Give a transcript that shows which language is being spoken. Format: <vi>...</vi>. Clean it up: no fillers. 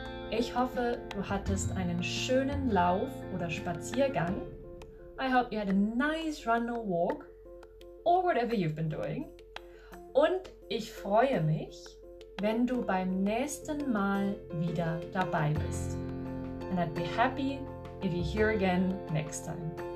<de>Ich hoffe, du hattest einen schönen Lauf oder Spaziergang.</de> <en>I hope you had a nice run or walk or whatever you've been doing.</en> <de>Und ich freue mich, wenn du beim nächsten Mal wieder dabei bist.</de> <en>And I'd be happy if you're here again next time.</en>